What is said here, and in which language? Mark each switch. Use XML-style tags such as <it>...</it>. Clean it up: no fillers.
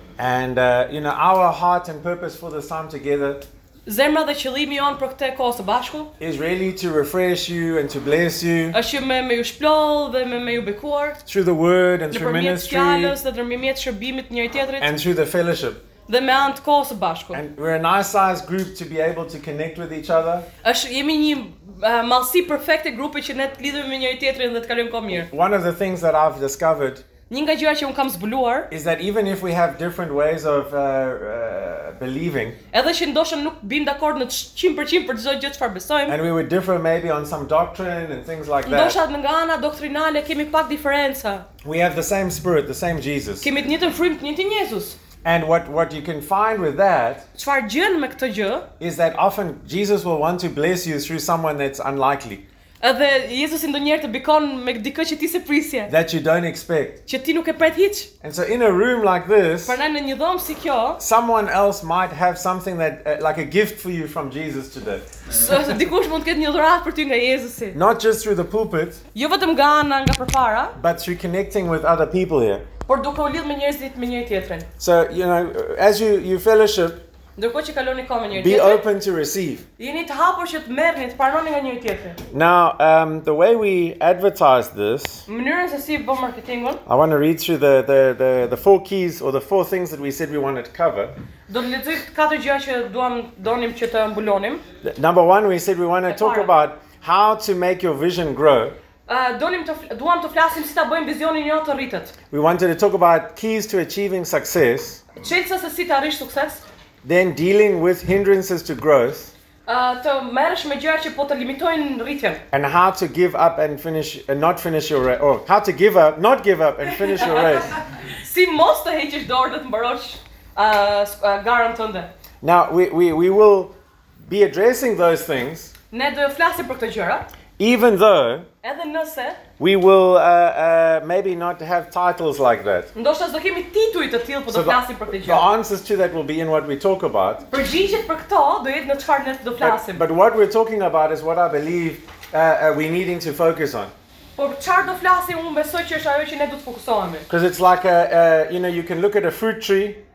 <en>And you know, our heart and purpose for this time together.</en> <sq>Zemra dhe qëllimi jon për këtë kohë së bashku.</sq> <en>Is really to refresh you and to bless you.</en> <sq>Është që me ju shpëllë dhe me ju bekuar.</sq> <en>Through the word and through ministry.</en> <sq>Në përmjet fjalës dhe ndërmjet shërbimit njëri tjetrit.</sq> <en>And through the fellowship.</en> <sq>Dhe me anë të kohë së bashku.</sq> <en>And we're a nice sized group to be able to connect with each other.</en> <sq>Është jemi një mallsi perfekte grupi që ne të lidhemi me njëri tjetrin dhe të kalojmë kohë mirë.</sq> <en>One of the things that I've discovered.</en> <sq>Një nga gjërat që un kam zbuluar.</sq> <en>Is that even if we have different ways of believing.</en> <sq>Edhe që ndoshta nuk bim dakord në 100% për çdo gjë çfarë besojmë.</sq> <en>And we would differ maybe on some doctrine and things like that.</en> <sq>Ndoshta nga ana doktrinale kemi pak diferenca.</sq> <en>We have the same spirit, the same Jesus.</en> <sq>Kemi të njëjtën frymë, të njëjtin Jezus.</sq> <en>And what you can find with that is that often Jesus will want to bless you through someone that's unlikely.</en> <sq>Edhe Jezusi ndonjëherë të bekon me dikë që ti s'e prisje.</sq> <en>That you don't expect.</en> <sq>Që ti nuk e pret hiç.</sq> <en>And so in a room like this,</en> <sq>prandaj në një dhomë si kjo,</sq> <en>someone else might have something that like a gift for you from Jesus today.</en> <sq>Dikush mund të ketë një dhuratë për ty nga Jezusi.</sq> <en>Not just through the pulpit.</en> <sq>Jo vetëm nga ana nga përpara,</sq> <en>but through connecting with other people here.</en> <sq>Por duke u lidh me njerëzit me njëri tjetrin.</sq> <en>So, you know, as you fellowship,</en> <sq>ndërkohë që kaloni kohë me njëri</sq> <en>tjetrin, be open to receive.</en> <sq>Jeni të hapur që të merrni, të pranoni nga njëri tjetrin.</sq> <en>Now, the way we advertise this,</en> <sq>mënyrën se si bëmë marketingun,</sq> <en>I want to read through the four keys or the four things that we said we wanted to cover.</en> <sq>Do të lexoj katër gjëra që duam donim që të mbulonim.</sq> <en>Number one, we said we want to talk about how to make your vision grow.</en> <sq>Duam të flasim si ta bëjmë vizionin jonë të rritet.</sq> <en>We wanted to talk about keys to achieving success.</en> <sq>Çelësa se si të arrish sukses.</sq> <en>Then dealing with hindrances to growth.</en> <sq>Të merresh me gjërat që po të limitojnë rritjen.</sq> <en>And how to give up and finish and not finish your race. Oh, how to give up, not give up and finish your race.</en> <sq>Si mos të heqësh dorë dhe të mbarosh garën tënde.</sq> <en>Now we will be addressing those things.</en> <sq>Ne do të flasim për këto gjëra.</sq> <en>Even though</en> <sq>edhe nëse</sq> <en>we will maybe not have titles like that.</en> <sq>Ndoshta do kemi tituj të tillë, por do flasim për këtë gjë.</sq> <en>The answers to that will be in what we talk about.</en> <sq>Përgjigjet për këto do jetë në çfarë ne do flasim.</sq> <en>But what we're talking about is what I believe we needing to focus on.</en> <sq>Por çfarë do flasim, unë besoj që është ajo që ne do të fokusohemi.</sq> <en>Because it's like a you know, you can look at a fruit tree.</en>